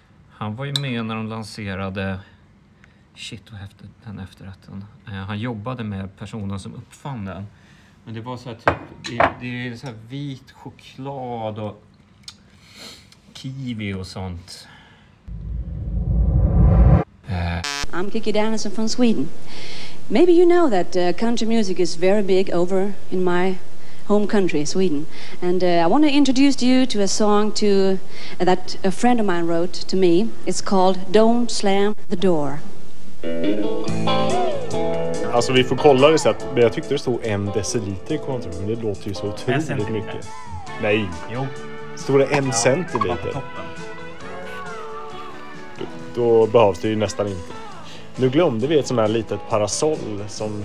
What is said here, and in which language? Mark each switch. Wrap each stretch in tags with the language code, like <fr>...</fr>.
<sv>Han var ju med när de lanserade... Shit, vad häftigt den efterrätten. Han jobbade med personen som uppfann den. Men det var så här typ, det är så här vit choklad och kiwi och sånt.</sv> <en>I'm Kiki Danielsson from Sweden. Maybe you know that country music is very big over in my home country, Sweden. And I want to introduce you to a song to that a friend of mine wrote to me. It's called Don't Slam the Door.</en> <sv>Alltså vi får kolla det så att, men jag tyckte det stod en deciliter i kontrum, men det låter ju så otroligt mycket. Nej. Jo. Stod det en centiliter? Då behövs det ju nästan inte. Nu glömde vi ett sånt här litet parasoll som...</sv>